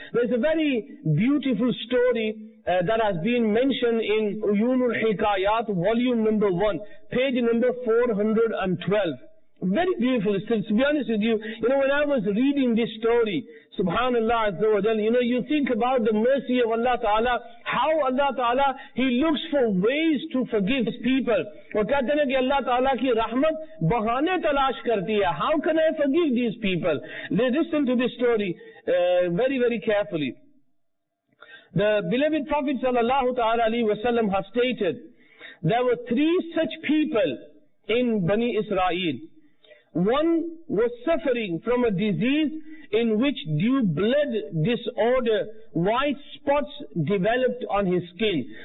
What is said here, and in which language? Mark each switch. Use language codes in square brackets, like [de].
[en] There's a very beautiful story that has been mentioned in Uyunul Hikayat, volume number 1, page number 412. Very beautiful. So, to be honest with you, you know, when I was reading this story, subhanallah azza wa jal, you know, you think about the mercy of Allah ta'ala, how Allah ta'ala, he looks for ways to forgive his people. [ur] وہ کہتے ہیں کہ اللہ تعالیٰ کی رحمت بہانے تلاش کرتی ہے. [en] How can I forgive these people? They listen to this story very very carefully. The beloved Prophet sallallahu ta'ala alayhi wa sallam has stated, there were three such people in Bani Israel. One was suffering from a disease in which due blood disorder, white spots developed on his skin.